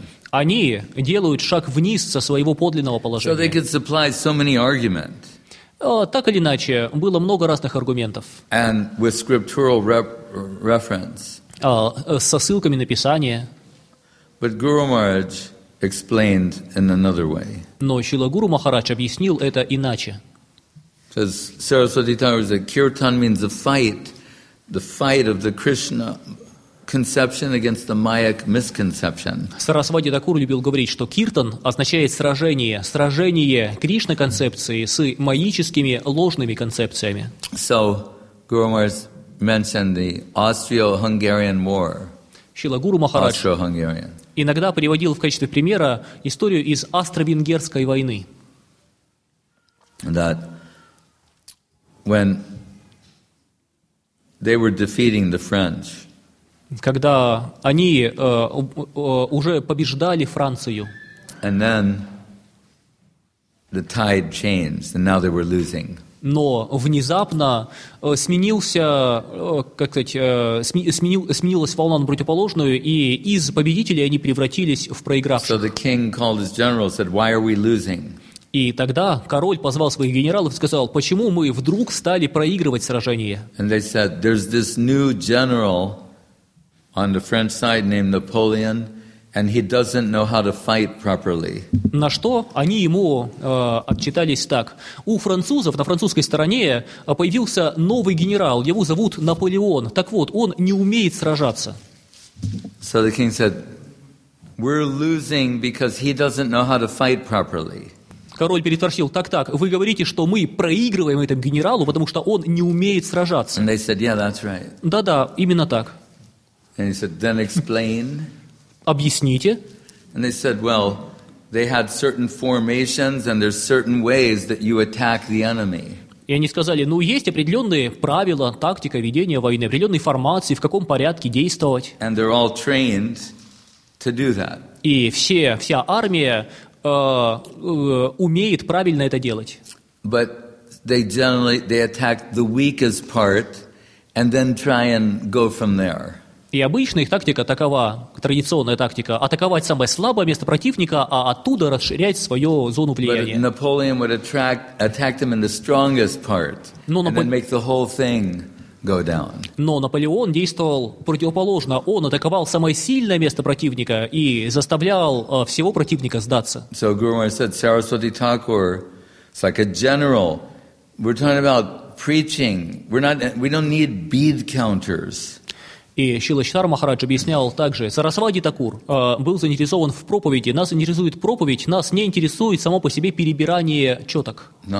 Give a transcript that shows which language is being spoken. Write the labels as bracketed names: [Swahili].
[Russian] Они делают шаг вниз со своего подлинного положения. Так или иначе, было много разных аргументов. [English] And with scriptural reference. [Russian] Со ссылками на Писание. [English] But Guru Maharaj explained in another way. [Russian] Но Шрила Гуру Махарадж объяснил это иначе. [English] Says Saraswati Thakur that kirtan means the fight of the Krishna conception against the Mayak misconception. [Russian] Сарасвати Такур любил говорить, что киртан означает сражение, сражение Кришна концепции с майическими ложными концепциями. [English] So, Guru Maharaj mentioned the Austro-Hungarian War. [Russian] Шрила Гуру Махарадж иногда приводил в качестве примера историю из Австро-Венгерской войны. [English] That when they were defeating the French, [Russian] когда они уже побеждали Францию. [English] And then the tide changed, and now they were losing. [Russian] Но внезапно сменилась волна на противоположную, и из победителей они превратились в проигравших. [English] So the king called his general, said, "Why are we losing?" [Russian] И тогда король позвал своих генералов и сказал, почему мы вдруг стали проигрывать сражение? [English] And they said, "There's this new general on the French side named Napoleon, and he doesn't know how to fight properly." [Russian] На что они ему отчитались так. У французов на французской стороне появился новый генерал. Его зовут Наполеон. Так вот, он не умеет сражаться. [English] So the king said, "We're losing because he doesn't know how to fight properly." [Russian] Король переспросил, так-так, вы говорите, что мы проигрываем этому генералу, потому что он не умеет сражаться. [English] And they said, "Yeah, that's right." [Russian] Да-да, именно так. [English] And he said, "Then explain." [Russian] Объясните. [English] And they said, "Well, they had certain formations, and there's certain ways that you attack the enemy." [Russian] И они сказали, ну есть определенные правила, тактика ведения войны, определенные формации, в каком порядке действовать. [English] And they're all trained to do that. [Russian] И вся армия умеет правильно это делать. [English] But they generally attack the weakest part, And then try and go from there. [Russian] И обычно их тактика такова, традиционная тактика, атаковать самое слабое место противника, а оттуда расширять свою зону влияния. [English] But Napoleon would attack them in the strongest part and then make the whole thing go down. [Russian] Но Наполеон действовал противоположно. Он атаковал самое сильное место противника и заставлял всего противника сдаться. [English] So Guru Maharaj said, Saraswati Thakur, it's like a general. We're talking about preaching. We don't need bead counters. [Russian] И Шрила Чатара Махараджа объяснял также, Сарасвати Такур был заинтересован в проповеди. Нас интересует проповедь, нас не интересует само по себе перебирание четок.